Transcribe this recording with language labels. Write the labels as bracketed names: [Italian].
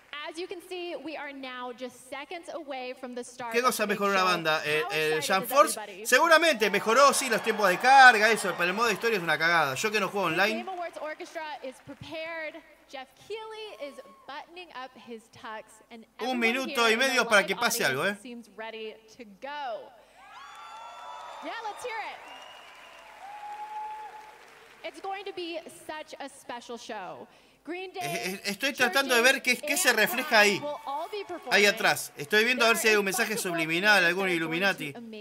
[English] As you can see, we are now just seconds away from the start. [Spanish] ¿Qué cosa mejoró la banda? El Jean Force. Seguramente mejoró, sí, los tiempos de carga, eso, pero el modo de historia es una cagada. Yo que no juego online. [English] The Game Awards Orchestra is prepared. Jeff Keighley is buttoning up his tux and [Spanish] un minuto y medio para que pase algo, ¿eh? [English] Seems ready to go. Yeah, let's hear it. It's going to be such a special show. Green Day. [Spanish] Estoy tratando de ver qué se refleja ahí atrás. Estoy viendo a ver si hay un mensaje subliminal, algún Illuminati.